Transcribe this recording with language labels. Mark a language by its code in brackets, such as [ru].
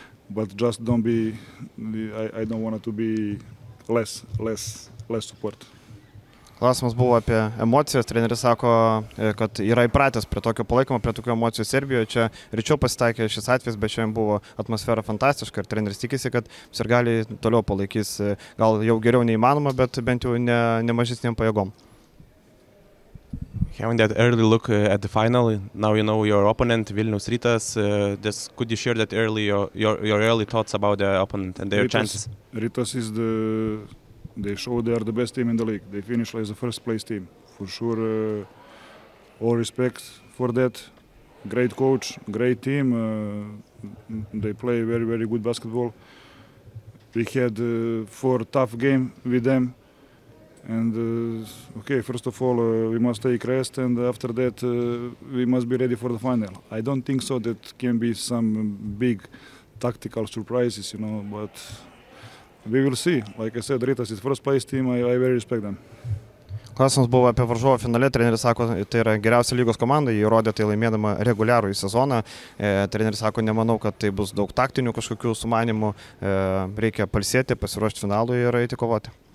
[en] But just don't be, I don't want to be less support. [lt] Klausimas buvo apie emocijas. Treneris sako, kad yra įpratęs prie tokio palaikymo, prie tokio emocijų Serbijoje. Čia ryčiau pasitaikė šis atvejs, bet šiandien buvo atmosfera fantastiška. Ir treneris tikisi, kad sirgaliai toliau palaikys. Gal jau geriau neįmanoma, bet bent jau ne mažesnėm pajėgom. [en] Having that early look at the final, now you know your opponent, Vilnius Rytas. Could you share that early your early thoughts about the opponent and their Rytas, chances? Rytas is the they show they are the best team in the league. They finish as a first place team for sure. All respect for that. Great coach, great team. They play very very good basketball. We had four tough game with them. And okay, first of all, we must take rest, and after that, we must be ready for the final. I don't think so that can be some big tactical surprises, you know, but we will see. Like I said, Rytas is first place team, I very respect them. [lt] Klausimas buvo apie varžovą finale. Treneris sako, tai yra geriausia lygos komanda, jį įrodė tai laimėdama reguliarų į sezoną. Treneris sako, nemanau, kad tai bus daug taktinių kažkokių sumanimų. Reikia palsėti, pasiruošti finalui ir eiti kovoti.